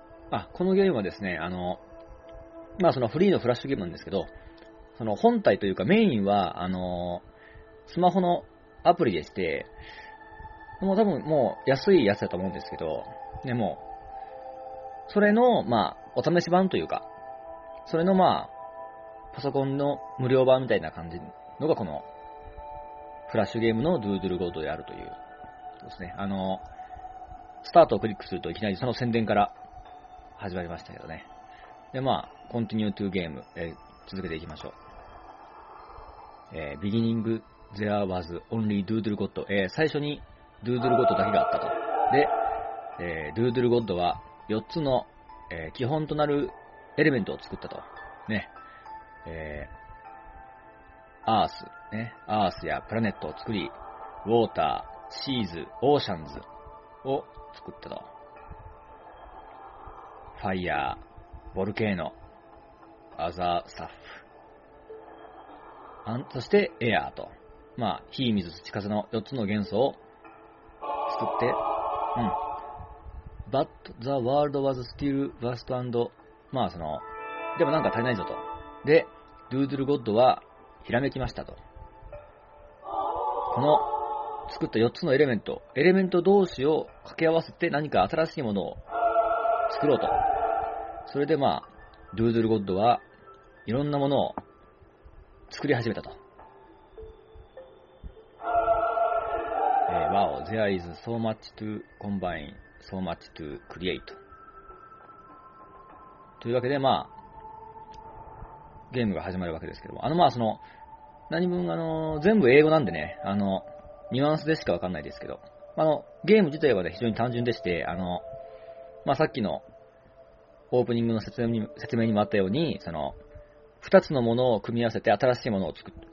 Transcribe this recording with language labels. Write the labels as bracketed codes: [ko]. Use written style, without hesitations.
[ja] あ、このゲームはですね、まあ、そのフリーのフラッシュゲームなんですけど、その本体というかメインは、スマホのアプリでして、もう多分もう安いやつだと思うんですけど、でも、それの、まあ、お試し版というか、それのまあ、パソコンの無料版みたいな感じのがこの、フラッシュゲームのドゥードゥルゴッドであるという、ですね。スタートをクリックするといきなりその宣伝から、始まりましたけどね。で、まあ、コンティニュートゥーゲーム、続けていきましょう。 [en] beginning there was only doodle god、最初に doodle god だけがあったと。 [ja] で、doodle god は4つの、基本となるエレメントを作ったと。ね。 [en] earth、ね。 [ja] earth やプラネットを作り、 water、seas、oceans を作ったと。ファイヤー、ボルケーノ、アザースタッフ。そして、エアーと。まあ、火、水、土、風の4つの元素を作って、うん。 [en] But the world was still vast and, まあ、その、でもなんか足りないぞと。 [ja] で、ドゥードゥルゴッドは、ひらめきましたと。この、作った4つのエレメント同士を掛け合わせて何か新しいものを作ろうと。それでまあ、ドゥードゥルゴッドはいろんなものを作り始めたと。 [en] Wow, there is so much to combine, so much to create. [ja] というわけでまあ、ゲームが始まるわけですけども。まあその、何分全部英語なんでね、ニュアンスでしかわかんないですけど。ゲーム自体はね、非常に単純でして、まあさっきのオープニングの説明にもあったように、その、二つのものを組み合わせて新しいものを作る。